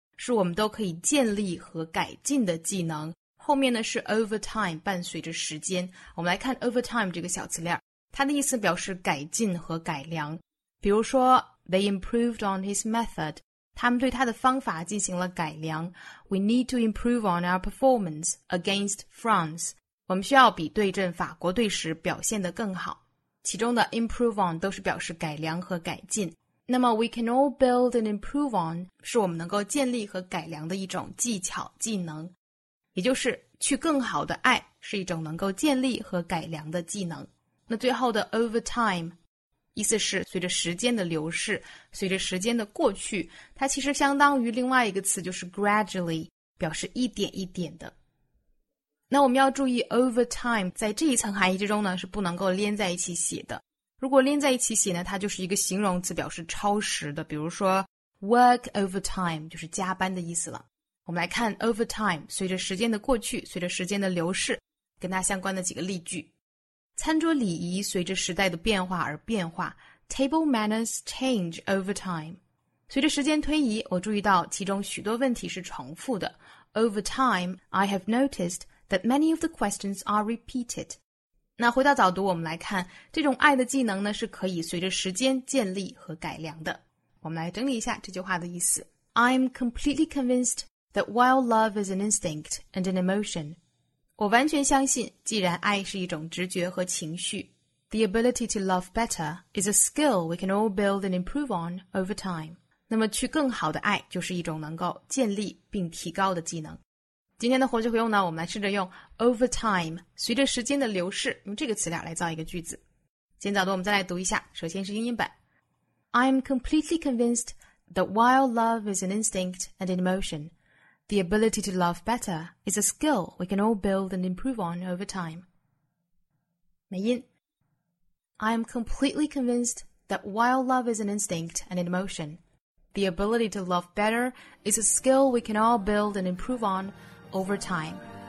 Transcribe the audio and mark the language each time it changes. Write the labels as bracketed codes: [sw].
[zh] 是我们都可以建立和改进的技能。后面呢是 over time, 伴随着时间。我们来看 over time 这个小词链，它的意思表示改进和改良。比如说 [en] they improved on his method. [zh] 他们对他的方法进行了改良。 [en] We need to improve on our performance against France. [zh] 我们需要比对阵法国队时表现得更好。其中的 improve on 都是表示改良和改进。那么 [en] we can all build and improve on [zh] 是我们能够建立和改良的一种技巧、技能。也就是去更好的爱是一种能够建立和改良的技能。那最后的 over time 意思是随着时间的流逝，随着时间的过去，它其实相当于另外一个词，就是 gradually， 表示一点一点的。那我们要注意 over time 在这一层含义之中呢，是不能够连在一起写的。如果连在一起写呢，它就是一个形容词，表示超时的，比如说 work over time 就是加班的意思了。我们来看 over time 随着时间的过去，随着时间的流逝，跟它相关的几个例句。餐桌礼仪随着时代的变化而变化， [en] table manners change over time。 [zh] 随着时间推移，我注意到其中许多问题是重复的。 [en] Over time, I have noticed that many of the questions are repeated。 [zh] 那回到早读，我们来看这种爱的技能呢，是可以随着时间建立和改良的。我们来整理一下这句话的意思。 [en] I'm completely convincedThat while love is an instinct and an emotion, [zh] 我完全相信既然爱是一种直觉和情绪， [en] The ability to love better is a skill we can all build and improve on over time. [zh] 那么去更好的爱就是一种能够建立并提高的技能。今天的活句活用呢，我们来试着用 over time 随着时间的流逝，用这个词料来造一个句子。今天早读我们再来读一下，首先是英音版。 [en] I'm completely convinced that while love is an instinct and an emotionThe ability to love better is a skill we can all build and improve on over time. 美音 I am completely convinced that while love is an instinct and an emotion, the ability to love better is a skill we can all build and improve on over time.